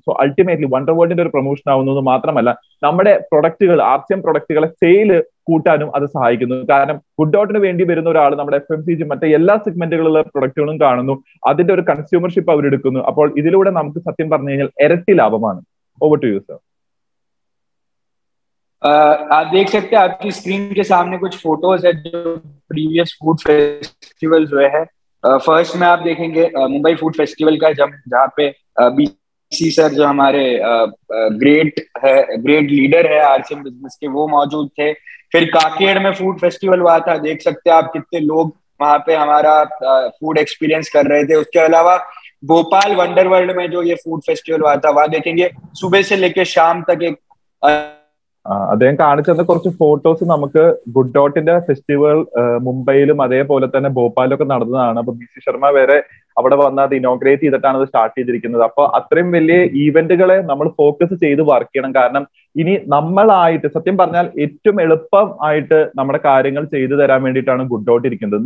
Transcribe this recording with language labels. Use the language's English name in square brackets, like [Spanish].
[Malayalam] So ultimately wonder വേൾഡിന്റെ ഒരു promotion ആവുന്നു എന്ന് മാത്രമല്ല നമ്മുടെ പ്രൊഡക്റ്റുകൾ ആർസിഎം പ്രൊഡക്റ്റുകളെ സെയില് കൂട്ടാനും അത് സഹായിക്കുന്നു, കാരണം ഗുഡ് ഡോട്ടിന് വേണ്ടി വരുന്ന ഒരാൾ നമ്മുടെ എഫ് എം സി ജി മറ്റേ എല്ലാ സെഗ്മെന്റുകളിലെ പ്രൊഡക്റ്റുകളും കാണുന്നു, അതിന്റെ ഒരു കൺസ്യൂമർഷിപ്പ് അവരെടുക്കുന്നു. അപ്പോൾ ഇതിലൂടെ നമുക്ക് സത്യം പറഞ്ഞു കഴിഞ്ഞാൽ ഇരട്ടി ലാഭമാണ്. [English] Over to you sir. [Hindi] आप देख सकते हैं आपकी स्क्रीन के सामने कुछ फोटोज है जो प्रीवियस फूड फेस्टिवल जो है, फर्स्ट में आप देखेंगे मुंबई फूड फेस्टिवल का, जब जहाँ पे बीसी सर जो हमारे ग्रेट है, ग्रेट लीडर है आरसीएम बिजनेस के, वो मौजूद थे. फिर काकेड़ में फूड फेस्टिवल हुआ था, देख सकते हैं आप कितने लोग वहां पे हमारा फूड एक्सपीरियंस कर रहे थे. उसके अलावा भोपाल वंडर वर्ल्ड में जो ये फूड फेस्टिवल हुआ था, वहां देखेंगे सुबह से लेकर शाम तक एक [Malayalam] അദ്ദേഹം കാണിച്ചു തന്ന കുറച്ച് ഫോട്ടോസ് നമുക്ക് ഗുഡ് ഡോട്ടിന്റെ ഫെസ്റ്റിവൽ മുംബൈയിലും അതേപോലെ തന്നെ ഭോപ്പാലിലൊക്കെ നടന്നതാണ്. അപ്പൊ ബി സി ശർമ്മ വരെ അവിടെ വന്ന് അത് ഇനോഗ്രേറ്റ് ചെയ്തിട്ടാണ് അത് സ്റ്റാർട്ട് ചെയ്തിരിക്കുന്നത്. അപ്പൊ അത്രയും വലിയ ഈവന്റുകളെ നമ്മൾ ഫോക്കസ് ചെയ്ത് വർക്ക് ചെയ്യണം, കാരണം ഇനി നമ്മളായിട്ട് സത്യം പറഞ്ഞാൽ ഏറ്റവും എളുപ്പം ആയിട്ട് നമ്മുടെ കാര്യങ്ങൾ ചെയ്തു തരാൻ വേണ്ടിയിട്ടാണ് ഗുഡ് ഡോട്ട് ഇരിക്കുന്നത്.